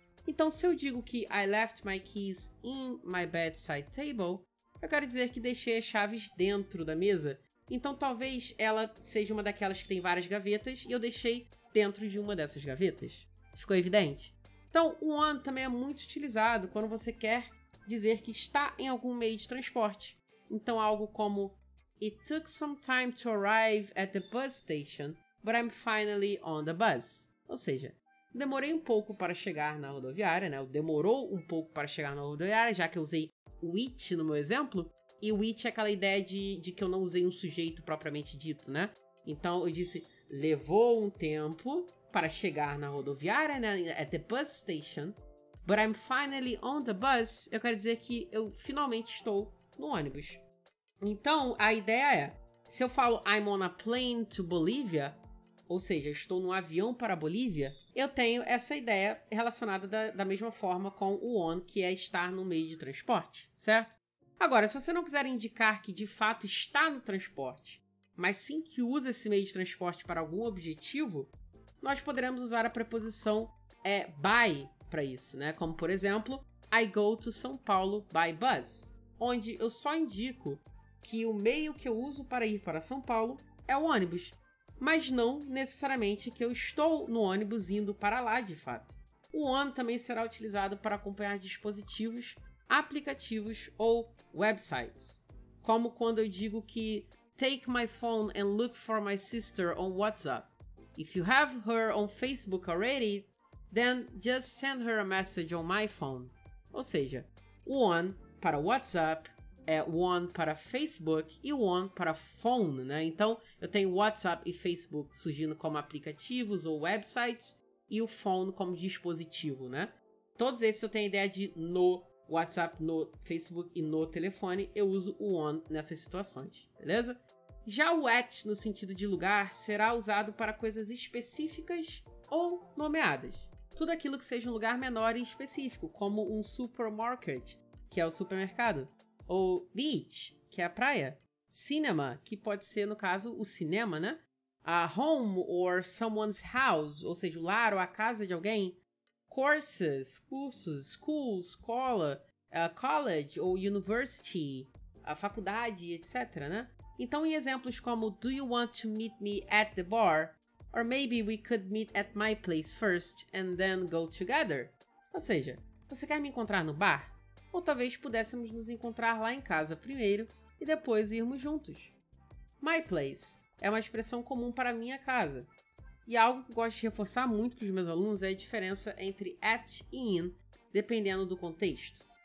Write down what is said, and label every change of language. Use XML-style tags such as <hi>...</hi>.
<pt>Então, se eu digo que</pt> <en>I left my keys in my bedside table,</en> <pt>eu quero dizer que deixei as chaves dentro da mesa. Então, talvez ela seja uma daquelas que tem várias gavetas e eu deixei dentro de uma dessas gavetas. Ficou evidente? Então, o on também é muito utilizado quando você quer dizer que está em algum meio de transporte. Então, algo como</pt> <en>It took some time to arrive at the bus station, but I'm finally on the bus.</en> <pt>Ou seja, demorei um pouco para chegar na rodoviária, né? Demorou um pouco para chegar na rodoviária, já que eu usei o it no meu exemplo. E o it é aquela ideia de que eu não usei um sujeito propriamente dito, né? Então, eu disse, levou um tempo para chegar na rodoviária, né?</pt> <en>At the bus station, but I'm finally on the bus.</en> <pt>Eu quero dizer que eu finalmente estou no ônibus. Então, a ideia é, se eu falo</pt> <en>I'm on a plane to Bolivia,</en> <pt>ou seja, estou num avião para a Bolívia, eu tenho essa ideia relacionada da mesma forma com o on, que é estar no meio de transporte, certo? Agora, se você não quiser indicar que de fato está no transporte, mas sim que usa esse meio de transporte para algum objetivo, nós poderemos usar a preposição by para isso, né? Como, por exemplo,</pt> <en>I go to São Paulo by bus,</en> <pt>onde eu só indico que o meio que eu uso para ir para São Paulo é o ônibus, mas não necessariamente que eu estou no ônibus indo para lá, de fato. O on também será utilizado para acompanhar dispositivos, aplicativos ou websites, como quando eu digo que</pt> <en>take my phone and look for my sister on WhatsApp. If you have her on Facebook already, then just send her a message on my phone.</en> <pt>Ou seja, o on para WhatsApp é o on para Facebook e o on para phone, né? Então, eu tenho WhatsApp e Facebook surgindo como aplicativos ou websites e o phone como dispositivo, né? Todos esses eu tenho a ideia de no WhatsApp, no Facebook e no telefone, eu uso o on nessas situações, beleza? Já o at, no sentido de lugar, será usado para coisas específicas ou nomeadas. Tudo aquilo que seja um lugar menor e específico, como um supermarket, que é o supermercado, ou beach, que é a praia, cinema, que pode ser, no caso, o cinema, né?</pt> <en>A home or someone's house,</en> <pt>ou seja, o lar ou a casa de alguém, courses, cursos, school, escola, college ou university, a faculdade, etc, né? Então, em exemplos como</pt> <en>do you want to meet me at the bar? Or maybe we could meet at my place first and then go together?</en> <pt>Ou seja, você quer me encontrar no bar? Ou talvez pudéssemos nos encontrar lá em casa primeiro e depois irmos juntos. My place é uma expressão comum para minha casa. E algo que gosto de reforçar muito com os meus alunos é a diferença entre at e in, dependendo do contexto.</pt>